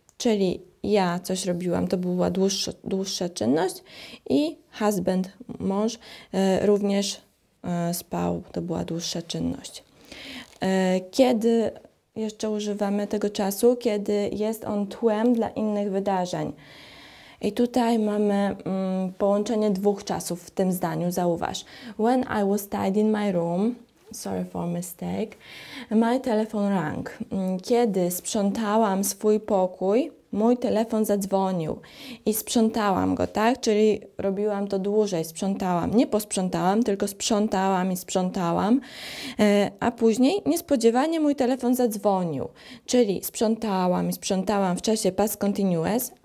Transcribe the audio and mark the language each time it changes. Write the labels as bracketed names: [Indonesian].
[Polish] Czyli ja coś robiłam, to była dłuższa czynność i husband, mąż, również spał, to była dłuższa czynność. Kiedy jeszcze używamy tego czasu? Kiedy jest on tłem dla innych wydarzeń. I tutaj mamy połączenie dwóch czasów w tym zdaniu, zauważ. [English] When I was tidying my room, sorry for mistake, my telephone rang. [Polish] Kiedy sprzątałam swój pokój, mój telefon zadzwonił i sprzątałam go, tak? Czyli robiłam to dłużej, sprzątałam. Nie posprzątałam, tylko sprzątałam i sprzątałam. A później niespodziewanie mój telefon zadzwonił. Czyli sprzątałam i sprzątałam w czasie past continuous.